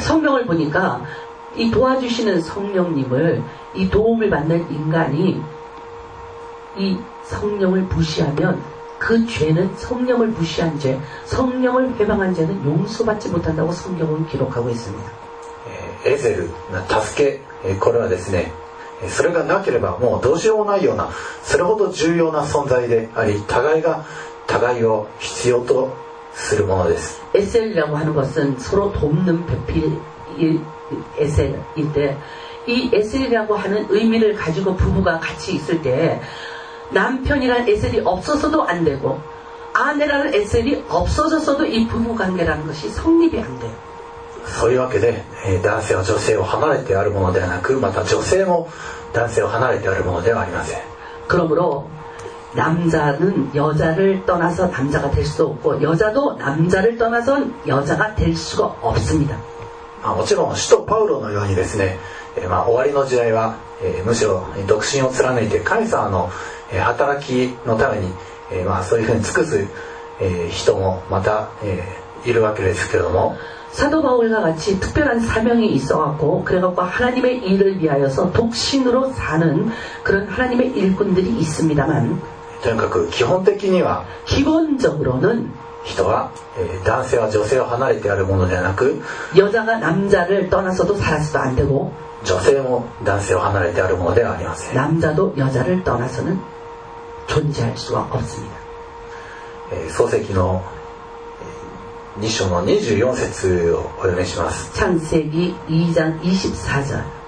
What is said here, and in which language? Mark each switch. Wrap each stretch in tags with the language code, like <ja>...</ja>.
<ko>성령을보니까이도와주시는성령님을이도움을받는인간이이성령을무시하면그죄는성령을무시한죄성령을회방한죄는용서받지못한다고성경은기록하고있습니다</ko> <ja>에셀나타스케これはですねそれがなければもうどうしようもないような、それほど重要な存在であり、互いが互いを必要とするものです。</ja> <ko>SL 라고하는것은서로돕는배필이 SL 인데이 SL 이라고하는의미를가지고부부가같이있을때남편이란 SL 이없어서도안되고아내라는 SL 이없어져서도이부부관계라는것이성립이안돼요。</ko> <ja>そういうわけで、男性は女性を離れてあるものではなく、また女性も男性を離れてあるものではありません。</ja> <ko>그러므로남자는여자를떠나서남자가될수도없고여자도남자를떠나서여자가될수가없습니다。</ko> <ja>まあ、もちろん使徒パウロのようにですね、まあ、終わりの時代は、むしろ独身を貫いてカイサーの、働きのために、まあ、そういうふうに尽くす、人もまた、いるわけですけれども、</ja> <ko>사도바울과같이특별한사명이있어갖고그래갖고하나님의일을위하여서독신으로사는그런하나님의일꾼들이있습니다만</ko> <ja>とにかく基本的には</ja> <ko>기본적으로는</ko> <ja>人は男性は女性を離れてあるものではなく</ja> <ko>여자가남자를떠나서도살아서도안되고</ko> <ja>女性も男性を離れてあるものではありません。</ja> <ko>남자도여자를떠나서는존재할수가없습니다。</ko> <ja>創世記の2章の24節をお読みします。創世記2章24節、</ja>